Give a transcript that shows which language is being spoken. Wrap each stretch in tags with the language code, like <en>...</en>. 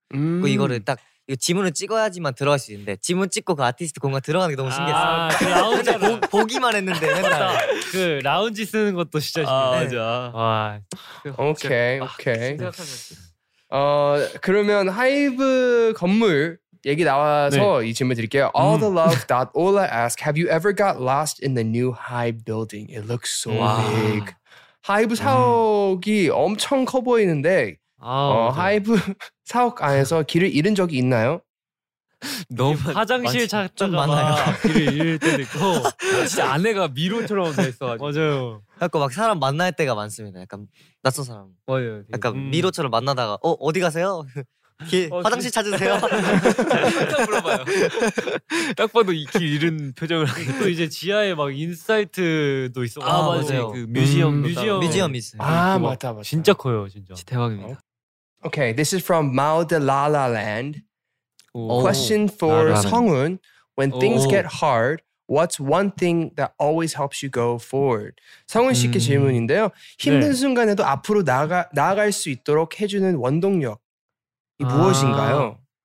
<ko>그 이거를 딱 이거 지문을 찍어야지만 들어갈 수 있는데 지문 찍고 그 아티스트 공간 들어가는 게 너무 신기했어요. 아, 그 라운지 보기만 했는데 맨날 그 라운지 쓰는 것도 진짜 신기해. 아, 맞아. 와. 오케이 오케이. 그러면 하이브 건물 얘기 나와서 네. 이 질문 드릴게요.</ko> <en>AllTheLove.Ola ask, Have you ever got lost in the new Hive building? It looks so big.</en> <ko>하이브 사옥이 엄청 커 보이는데. 하이브 사옥 안에서 길을 잃은 적이 있나요? 너무 화장실 찾다가 길을 잃을 때도 있고 진짜 안에가 미로처럼 돼 있어가지고 맞아요. 약간 막 사람 만날 때가 많습니다. 약간 낯선 사람. 맞아요. 약간 미로처럼 만나다가 어디 가세요? 길 화장실 찾으세요. 물어봐요. 딱 봐도 이 길 잃은 표정을 하고 또 이제 지하에 막 인사이트도 있어. 아 맞아요. 그 뮤지엄 뮤지엄 있어요. 아 맞다 맞다. 진짜 커요 진짜. 진짜 대박입니다.</ko> <en>Okay, this is from Mao de La La Land. Ooh. Question for Sunghoon. When things get hard, what's one thing that always helps you go forward?</en> <ko>성훈 씨께 질문인데요. 힘든 네. 순간에도 앞으로 나아갈 수 있도록 해주는 원동력이 무엇인가요?</ko>